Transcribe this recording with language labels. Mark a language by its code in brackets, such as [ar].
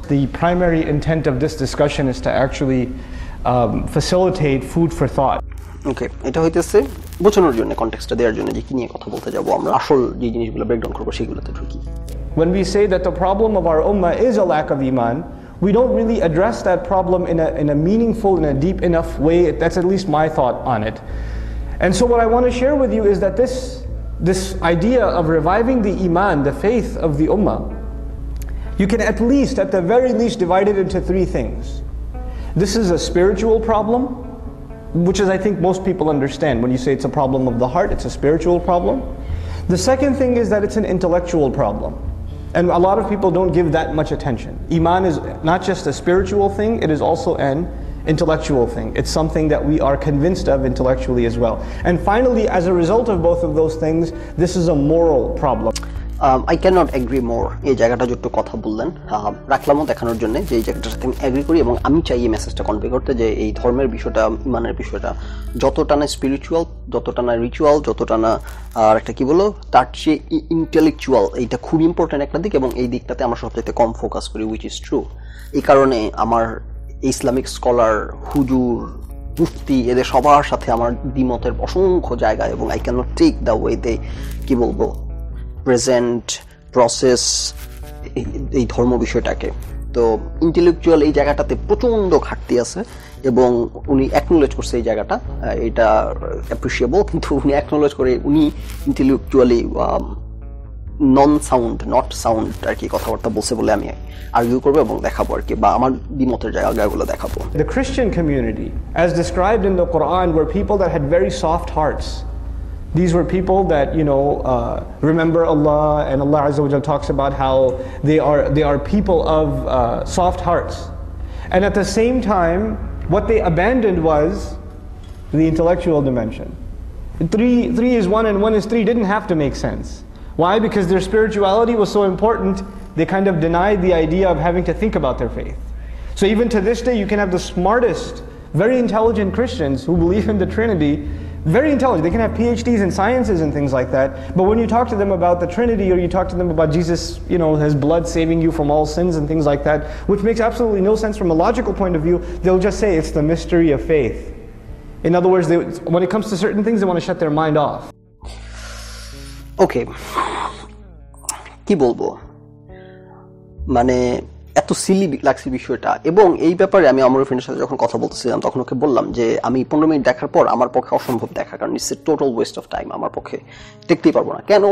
[en] The primary intent of this discussion is to actually facilitate food for thought. [bn] Okay, এটা হইতেছে বোঝানোর জন্য, কনটেক্সটটা দেওয়ার জন্য যে কি নিয়ে কথা বলতে যাব আমরা, আসল যে জিনিসগুলো ব্রেকডাউন করব সেগুলোতে ঢুকি। [en] When we say that the problem of our ummah is a lack of iman, we don't really address that problem in a meaningful, in a deep enough way. That's at least my thought on it. And so what I want to share with you is that this idea of reviving the iman, the faith of the ummah, you can at least, at the very least, divide it into three things. This is a spiritual problem, which is, I think, most people understand. When you say it's a problem of the heart, it's a spiritual problem. The second thing is that it's an intellectual problem. And a lot of people don't give that much attention. Iman is not just a spiritual thing, it is also an intellectual thing. It's something that we are convinced of intellectually as well. And finally, as a result of both of those things, this is a moral problem. I cannot agree more. [bn] এই জায়গাটা যেটু কথা বললেন রাখলামও দেখানোর জন্য, যে এই জায়গাটার সাথে আমি অ্যাগ্রি করি এবং আমি চাই এই মেসেজটা কনভে করতে, যে এই ধর্মের বিষয়টা, ইমানের বিষয়টা যতটা না স্পিরিচুয়াল, যতটা না রিচুয়াল, যতটা না আর একটা কী বলো, তার চেয়ে ইন্টেলেকচুয়াল, এইটা খুব ইম্পর্ট্যান্ট একটা দিক, এবং এই দিকটাতে আমরা সবচেয়ে কম ফোকাস করি, [en] Which is true. [bn] এই কারণে আমার ইসলামিক স্কলার, হুজুর, মুফতি, এদের সবার সাথে আমার দ্বিমতের অসংখ্য জায়গা, এবং [en] I can't take the way they [bn] কী বলবো প্রেজেন্ট প্রসেস এই ধর্ম বিষয়টাকে। তো ইন্টেলেকচুয়াল এই জায়গাটাতে প্রচণ্ড ঘাটতি আছে, এবং উনি অ্যাকনোলেজ করছে এই জায়গাটা, এটা অ্যাপ্রিসিয়েবল, কিন্তু উনি অ্যাকনোলেজ করে উনি intellectually non sound, not sound আর কি কথাবার্তা বলছে বলে আমি আর্গিউ করবো এবং দেখাবো আর কি, বা আমার দ্বিমতের জায়গাগুলো দেখাবো। [en] The Christian community as described in the Quran were people that had very soft hearts. These were people that, you know, remember Allah, and Allah Azza wa Jalla talks about how they are people of soft hearts. And at the same time, what they abandoned was the intellectual dimension. Three is one and one is three didn't have to make sense. Why? Because their spirituality was so important, they kind of denied the idea of having to think about their faith. So even to this day, you can have the smartest, very intelligent Christians who believe in the Trinity, very intelligent, they can have PhDs in sciences and things like that, but when you talk to them about the Trinity, or you talk to them about Jesus, you know, his blood saving you from all sins and things like that, which makes absolutely no sense from a logical point of view, they'll just say it's the mystery of faith. In other words, when it comes to certain things, they want to shut their mind off. [bn] Okay, কি বলবো, মানে এত Seely লাগছে বিষয়টা, এবং এই ব্যাপারে আমি আমার ফ্রেন্ডের সাথে যখন কথা বলতেছিলাম তখন ওকে বললাম যে আমি 15 মিনিট দেখার পর আমার পক্ষে অসম্ভব দেখা, কারণ [en] it's a total waste of time, [bn] আমার পক্ষে দেখতেই পারবো না। কেন?